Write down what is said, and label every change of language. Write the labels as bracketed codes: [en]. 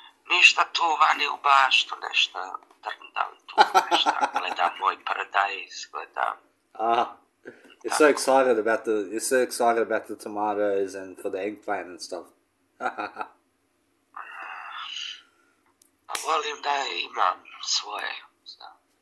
[sr] Ništa tu vani u baštu, nešto drndam tu, nešto gledam moj paradajz, gledam. [en] Ah, you're so excited about the tomatoes and for the eggplant and stuff. [sr] A volim da imam svoje, znam.